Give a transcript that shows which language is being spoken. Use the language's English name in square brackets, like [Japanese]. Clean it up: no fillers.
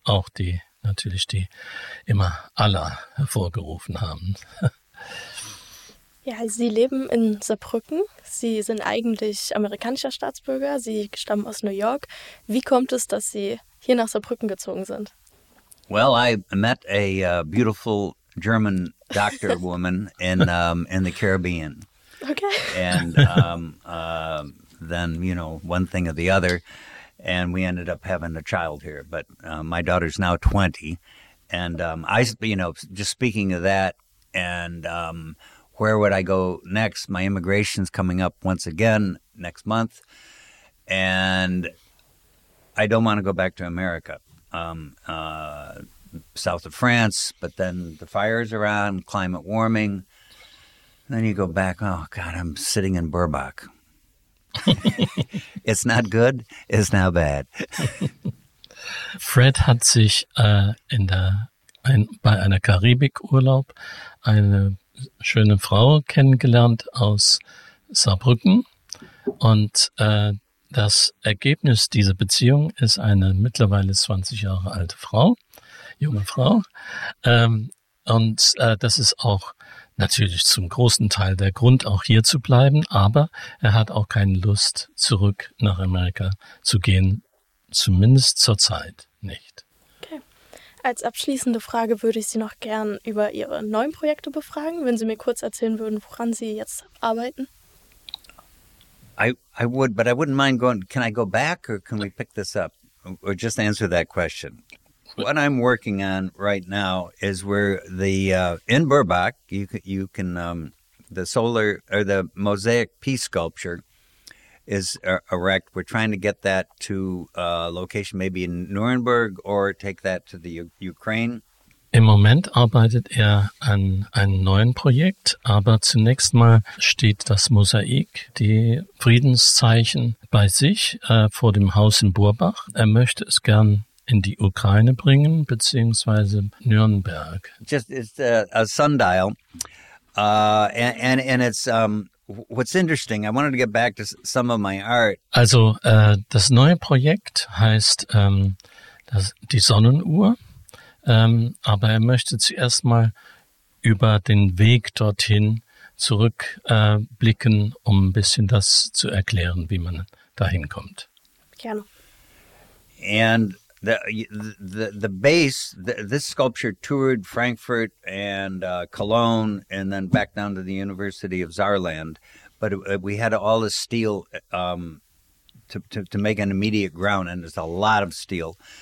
[German] Auch die, natürlich, die immer Allah hervorgerufen haben. Ja, Sie leben in Saarbrücken. Sie sind eigentlich amerikanischer Staatsbürger. Sie stammen aus New York. Wie kommt es, dass Sie hier nach Saarbrücken gezogen sind? [English] Well, I met a beautiful German doctor woman in the Caribbean. Okay. And then, you know, one thing or the other. And we ended up having a child here. But my daughter's now 20. And just speaking of that, and where would I go next? My immigration's coming up once again next month. And I don't want to go back to America. South of France, but then the fires are on, climate warming. Then you go back, oh, God, I'm sitting in Burbank. It's not good, it's not bad. [German] Fred hat sich bei einer Karibikurlaub eine schöne Frau kennengelernt aus Saarbrücken. Und das Ergebnis dieser Beziehung ist eine mittlerweile 20 Jahre alte Frau, junge Frau. Das ist auch natürlich zum großen Teil der Grund, auch hier zu bleiben. Aber er hat auch keine Lust, zurück nach Amerika zu gehen, zumindest zurzeit nicht. Okay. Als abschließende Frage würde ich Sie noch gern über Ihre neuen Projekte befragen, wenn Sie mir kurz erzählen würden, woran Sie jetzt arbeiten. [English] I would, but I wouldn't mind going. Can I go back or can we pick this up or just answer that question? What I'm working on right now is we're in Burbank. You can the solar or the mosaic peace sculpture is erect. We're trying to get that to a location, maybe in Nuremberg, or take that to the Ukraine. [German] Im Moment arbeitet an einem neuen Projekt, aber zunächst mal steht das Mosaik, die Friedenszeichen, bei sich vor dem Haus in Burbach. Er möchte es gern in die Ukraine bringen, beziehungsweise Nürnberg. [English] Just it's a sundial, and it's what's interesting. I wanted to get back to some of my art. [German] Also das neue Projekt heißt die Sonnenuhr. Aber er möchte zuerst mal über den Weg dorthin zurückblicken, um ein bisschen das zu erklären, wie man dahin kommt. Gerne. [English] And the base, this sculpture toured Frankfurt and Cologne and then back down to the University of Saarland. But we had all the steel to make an immediate ground, and it's a lot of steel.